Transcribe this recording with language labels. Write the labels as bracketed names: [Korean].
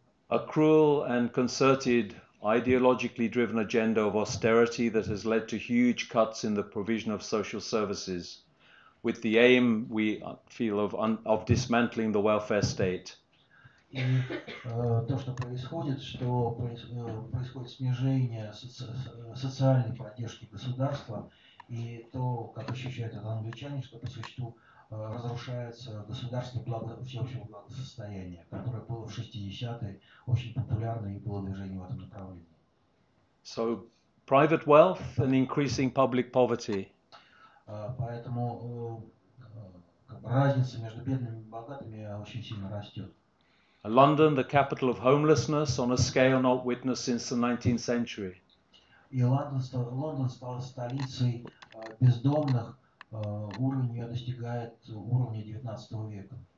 [English] A cruel and concerted ideologically driven agenda of austerity that has led to huge cuts in the provision of social services, with the aim, we feel, of dismantling the welfare state. [Russian] и то, что происходит, что происходит снижение социальной поддержки государства, и то, как ощущают это англичане, что по существу разрушается государство всеобщего благосостояния, которое было в 60-е очень популярно и было движение в этом направлении. [English] So, private wealth and increasing public poverty. [Russian] Поэтому разница между бедными и богатыми очень сильно растет. [English] London, the capital of homelessness, on a scale not witnessed since the 19th century. [Russian] И Лондон стал столицей бездомных, уровень ее достигает уровня 19 века.